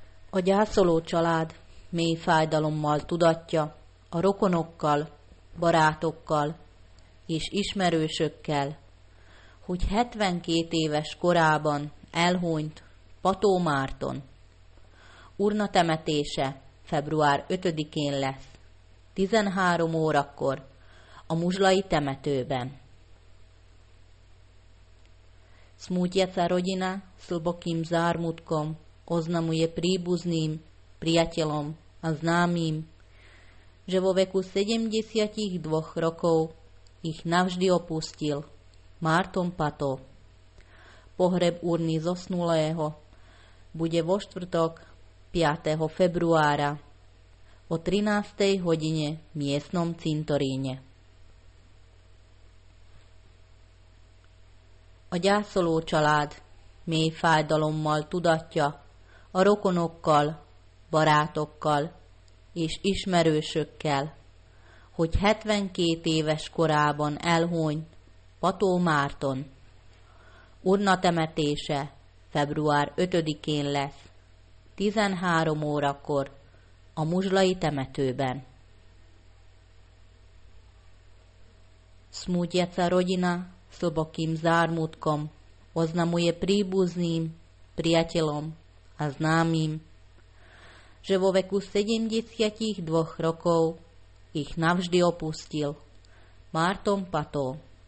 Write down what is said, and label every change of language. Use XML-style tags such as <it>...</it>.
<hu>A gyászoló család mély fájdalommal tudatja a rokonokkal, barátokkal és ismerősökkel, hogy 72 éves korában elhunyt Pató Márton. Urna temetése február 5-én lesz, 13 órakor a Muzslai temetőben.</hu> <sk>Smutje sa rodina s hlbokým zármutkom oznamuje príbuzným, priateľom a známym, že vo veku 72 rokov ich navždy opustil Márton Pató. Pohreb urny zosnulého bude vo štvrtok 5. februára o 13. hodine v miestnom cintoríne.</sk> <hu>A gyászoló család mély fájdalommal tudatja a rokonokkal, barátokkal és ismerősökkel, hogy 72 éves korában elhunyt Pató Márton. Urna temetése február 5-én lesz, 13 órakor a Muzslai temetőben.</hu> <sk>Smutje sa rodina s hlbokým zármutkom oznamuje príbuzným, priateľom a známym, že vo veku 72 rokov ich navždy opustil Márton Pató.</sk>